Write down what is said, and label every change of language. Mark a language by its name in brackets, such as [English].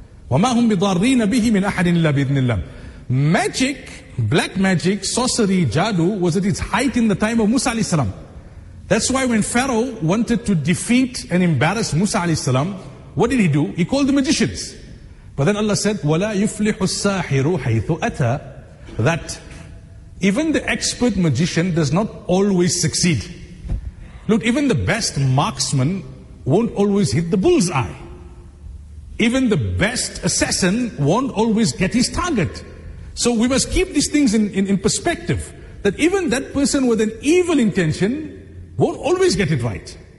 [Arabic] وَمَا هُمْ بِضَارِّينَ بِهِ مِنْ أَحَدٍ إِلَّا بِإِذْنِ اللَّهِ. [English] Magic, black magic, sorcery, jadu was at its height in the time of Musa alayhi salam. That's why when Pharaoh wanted to defeat and embarrass Musa alayhi salam, what did he do? He called the magicians. But then Allah said, [Arabic] وَلَا يُفْلِحُ السَّاحِرُ حَيْثُ أَتَى. [English] That even the expert magician does not always succeed. Look, even the best marksman won't always hit the bullseye. Even the best assassin won't always get his target. So we must keep these things in perspective. That even that person with an evil intention won't always get it right.